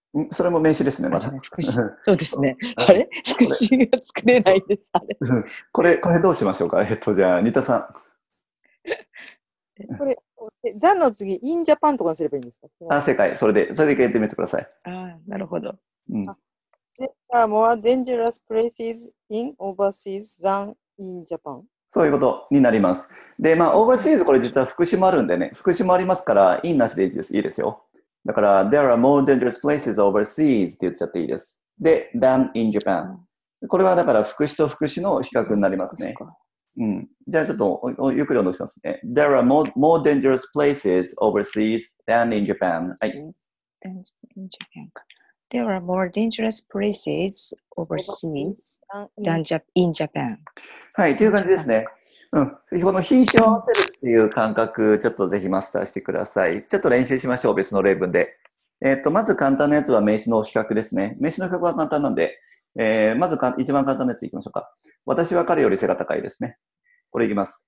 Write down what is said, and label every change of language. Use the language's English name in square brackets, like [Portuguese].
[Japanese] それも名詞ですね、まだ。そうですね。あれ副詞が作れないです。あれこれどうしましょうか、じゃあ、ニタさん。これ、ザンの次、 [English] in Japan [Japanese] とかにすればいいんですか？あ、正解。それで一回やってみてください。あ、なるほど。 [English] There are more dangerous places in overseas than in Japan。 [Japanese] そういうことになります。で、まあ、overseas、これ実は副詞もあるんでね、副詞もありますから、in なしでいいですよ。だから、 [English] there are more dangerous places overseas [Japanese] って言っちゃっていいです。 [English] で、than in Japan。 [Japanese] これはだから、副詞と副詞の比較になりますね。うん、じゃあ、ちょっとゆっくりお願いしますね。 [English] there are more dangerous places overseas than in Japan。 [Japanese] はい。 [English] there are more dangerous places overseas than in Japan。 [Japanese] はい、という感じですね。うん、この品種を合わせるっていう感覚、ちょっとぜひマスターしてください。ちょっと練習しましょう、別の例文で。まず簡単なやつは名詞の比較ですね。名詞の比較は簡単なんで、まず一番簡単なやついきましょうか。私は彼より背が高いですね。これいきます。